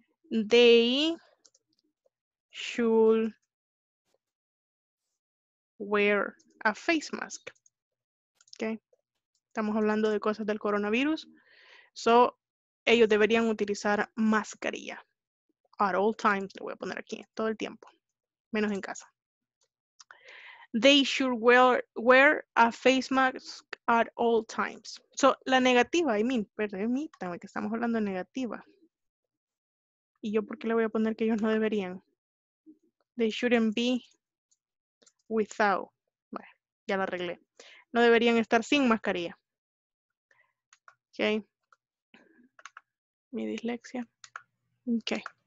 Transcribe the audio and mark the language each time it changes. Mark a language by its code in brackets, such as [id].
[en] They should wear a face mask. Okay. [es] Estamos hablando de cosas del coronavirus. So, ellos deberían utilizar mascarilla. [en] At all times, [es] le voy a poner aquí, todo el tiempo. Menos en casa. [en] They should wear a face mask at all times. [es] So, la negativa, [en] I mean, [es] permítanme que estamos hablando de negativa. ¿Y yo por qué le voy a poner que ellos no deberían? [en] They shouldn't be without. [es] Bueno, ya la arreglé. No deberían estar sin mascarilla. Ok. Mi dislexia. Ok.